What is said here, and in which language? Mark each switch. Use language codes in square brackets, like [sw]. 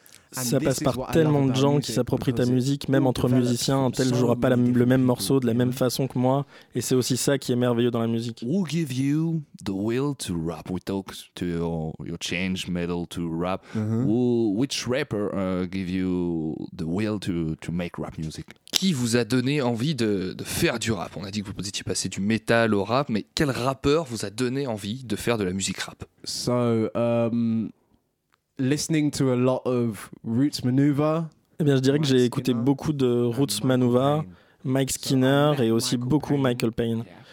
[fr] Ça passe par tellement de gens qui s'approprient ta musique, même entre musiciens, un tel jouera pas le même morceau de la même façon que moi, et c'est aussi ça qui est merveilleux dans la musique. [en] Who give you the will to rap? We talk to your change metal to rap. Which rapper give you the will to make rap music? [fr] Qui vous a donné envie de faire du rap? On a dit que vous étiez passé du métal au rap, mais quel rappeur vous a donné envie de faire de la musique rap? [en] So, listening to a lot of Roots Manuva. [fr] Eh bien, je dirais que j'ai écouté beaucoup de Roots Manuva, Mike Skinner et aussi beaucoup Michael Payne.